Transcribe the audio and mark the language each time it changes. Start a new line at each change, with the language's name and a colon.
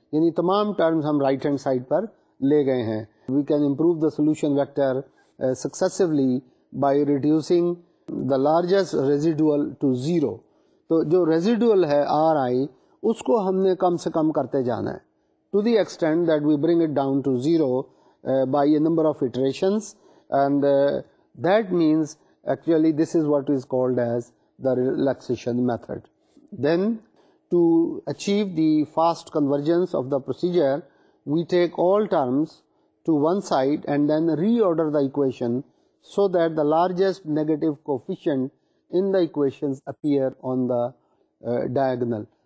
Urdu: یعنی تمام ٹرمز ہم رائٹ ہینڈ سائڈ پر لے گئے ہیں.
English: We can improve the solution vector successively by reducing the largest residual to zero.
Urdu: تو جو ریزیڈول ہے آر آئی اس کو ہم نے کم سے کم کرتے جانا ہے
English: To the extend that we bring it down to zero by a number of iterations. And that means actually this is what is called as the relaxation method. Then to achieve the fast convergence of the procedure, we take all terms to one side and then reorder the equation so that the largest negative coefficient in the equations appear on the diagonal.